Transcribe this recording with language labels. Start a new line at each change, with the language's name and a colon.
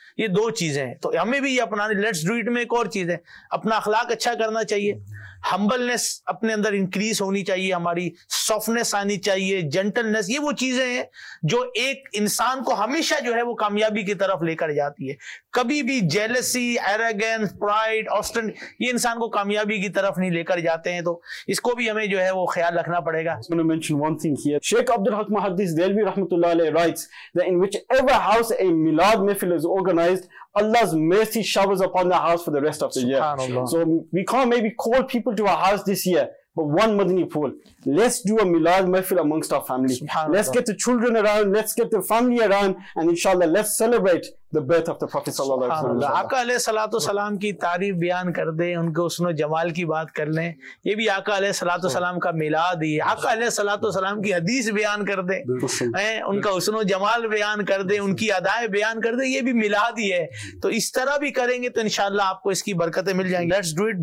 Urdu: یہ دو چیزیں ہیں, تو ہمیں بھی یہ اپنانی.
English: let's do it
Urdu: میں ایک اور چیز ہے, اپنا اخلاق اچھا کرنا چاہیے, ہمبلنس اپنے اندر انکریز ہونی چاہیے, ہماری سافٹنیس آنی چاہیے, جینٹلنیس. یہ وہ چیزیں ہیں جو ایک انسان کو ہمیشہ جو ہے وہ کامیابی کی طرف لے کر جاتی ہے. کبھی بھی جیلسی, ایروگینس, پرائیڈ, آسٹن, یہ انسان کو کامیابی کی طرف نہیں لے کر جاتے ہیں. تو اس کو بھی ہمیں جو ہے وہ خیال رکھنا پڑے گا.
English: I'm gonna mention one thing here. Sheikh Abdulhaq Muhaddith Dehlvi rahmatullah alayh writes that in whichever house a milad mehfil is organized, Allah's mercy showers upon the house for the rest of the year. So we can't maybe call people to our house this year, but one Madani pool, let's do a milad mehfil amongst our family. Let's get the children around, let's get the family around, and inshallah let's celebrate the birth of the Prophet sallallahu alaihi wasallam.
Urdu: آقا علیہ الصلوۃ والسلام کی تعریف بیان کر دیں, ان کے حسن و جمال کی بات کر لیں, یہ بھی آقا علیہ الصلوۃ والسلام کا میلاد ہی ہے. آقا علیہ الصلوۃ والسلام کی حدیث بیان کر دیں, ان کا حسن و جمال بیان کر دیں, ان کی ادائیں بیان کر دیں, یہ بھی میلاد ہی ہے. تو اس طرح بھی کریں گے تو انشاءاللہ آپ کو اس کی برکتیں مل جائیں گی.
English: Let's do it.